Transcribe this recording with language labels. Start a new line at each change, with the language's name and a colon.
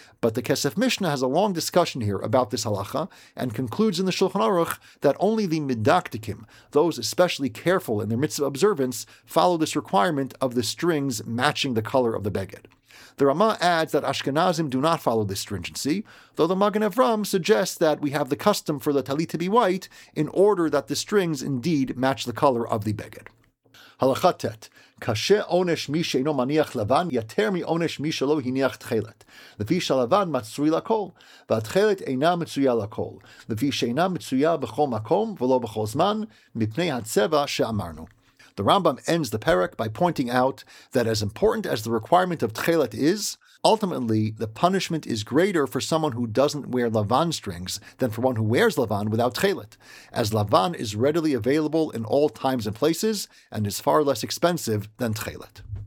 English: But the Kesef Mishnah has a long discussion here about this halacha and concludes in the Shulchan Aruch that only the midaktikim, those especially careful in their mitzvah observance, follow this requirement of the strings matching the color of the beged. The Rama adds that Ashkenazim do not follow this stringency, though the Magen Avram suggests that we have the custom for the talit to be white in order that the strings indeed match the color of the beged. Halacha Tet.
Hebrew: קשה עונש מי שאינו מניח לבן יתר מעונש מי שלא הניח תחלת, לפי שלבן מצוי לכל, והתחלת אינה מצויה לכל, לפי שאינה מצויה בכל מקום ולא בכל זמן, מפני הצבע שאמרנו.
English: The Rambam ends the perek by pointing out that as important as the requirement of tchelet is, ultimately the punishment is greater for someone who doesn't wear lavan strings than for one who wears lavan without tchelet, as lavan is readily available in all times and places and is far less expensive than tchelet.